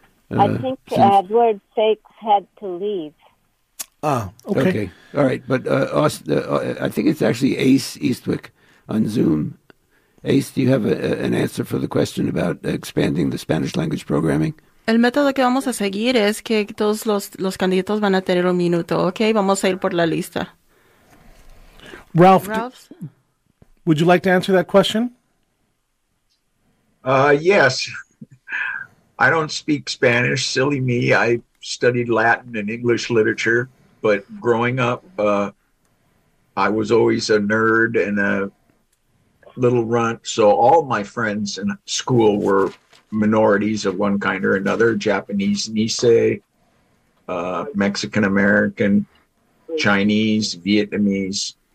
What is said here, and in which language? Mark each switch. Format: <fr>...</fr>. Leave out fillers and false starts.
<en>I think Edward Fakes had to leave. Okay. All right, but Austin, I think it's actually Ace Eastwick on Zoom. Ace, do you have an answer for the question about expanding the Spanish language programming?</en> <es>El método que vamos a seguir es que todos los candidatos van a tener un minuto, ¿ok? Vamos a ir por la lista.</es> <en>Ralph, would you like to answer that question? Yes. I don't speak Spanish, silly me. I studied Latin and English literature, but growing up, I was always a nerd and a little runt, so all my friends in school were minorities of one kind or another, Japanese Nisei, Mexican-American, Chinese, Vietnamese.</en>